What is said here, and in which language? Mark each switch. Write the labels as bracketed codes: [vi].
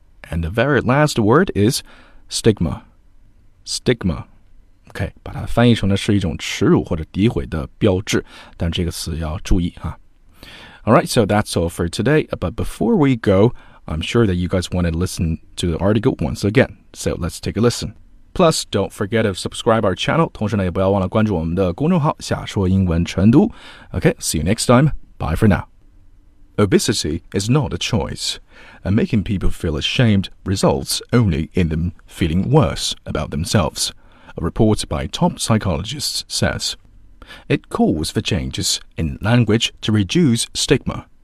[en] And the very last word is stigma, stigma. [zh] OK, 把它翻译成的是一种耻辱或者诋毁的标志，但这个词要注意啊。 [en] Alright, so that's all for today. But before we go, I'm sure that you guys want to listen to the article once again. So let's take a listen. Plus, don't forget to subscribe our channel. [zh] 同时呢，也不要忘了关注我们的公众号，下说英文晨读。 [en] OK, see you next time. Bye for now. Obesity is not a choice. And making people feel ashamed results only in them feeling worse about themselves. A report by top psychologists says, it calls for changes in language to reduce stigma.